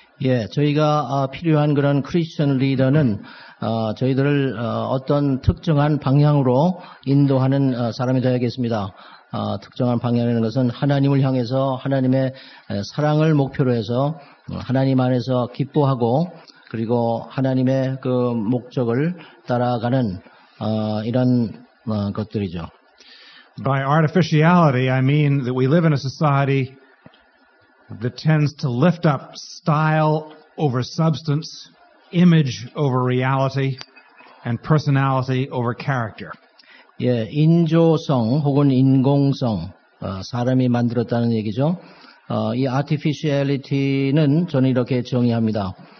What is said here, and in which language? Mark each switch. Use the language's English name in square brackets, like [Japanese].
[Korean] 예, 저희가 필요한 그런 크리스천 리더는 저희들을 어떤 특정한 방향으로 인도하는 사람이 되어야겠습니다. 특정한 방향이라는 것은 하나님을 향해서 하나님의 사랑을 목표로 해서 하나님 안에서 기뻐하고 그리고 하나님의 그 목적을 따라가는 이런 것들이죠. [English] By artificiality, I mean that we live in a society that tends to lift up style over substance, image over reality, and personality over character. [Korean] 예, 인조성 혹은 인공성, 사람이 만들었다는 얘기죠. 이 artificiality는 저는 이렇게 정의합니다.